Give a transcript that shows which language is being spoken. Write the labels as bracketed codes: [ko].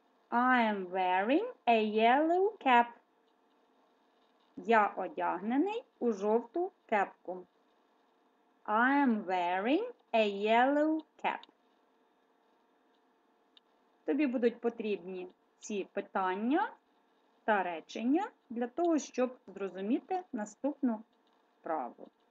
[en] I am wearing a yellow cap. [uk] Я одягнений у жовту кепку. [en] I am wearing a yellow cap. [uk] Тобі будуть потрібні ці питання та речення для того, щоб зрозуміти наступну вправу.